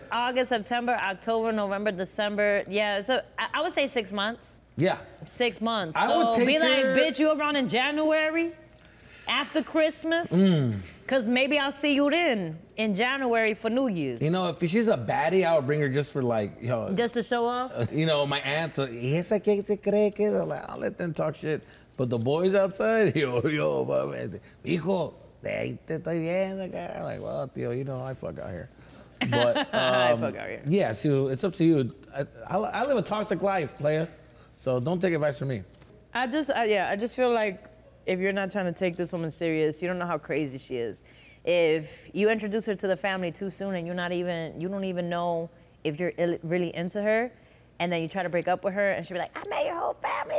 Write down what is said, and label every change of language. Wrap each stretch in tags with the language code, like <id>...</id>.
<en>August, September, October, November, December. Yeah, so I would say 6 months. Yeah. 6 months. I would take be care... like, bitch, you around in January after Christmas? Because Maybe I'll see you then in January for New Year's. You know, if she's a baddie, I would bring her just for like, you know. Just to show off? You know, my aunt's like,</en> <es>¿esa qué se cree que es?</es> <en>I'll let them talk shit. But the boys outside,</en> <es>yo, mami, hijo, te estoy viendo, cara.</es> <en>Like, well, tío, you know, I fuck out here. But, I fuck out here. Yeah, so it's up to you. I live a toxic life, player, so don't take advice from me. I just feel like if you're not trying to take this woman serious, you don't know how crazy she is. If you introduce her to the family too soon and you don't even know if you're really into her, and then you try to break up with her, and she'll be like, I met your whole family.</en>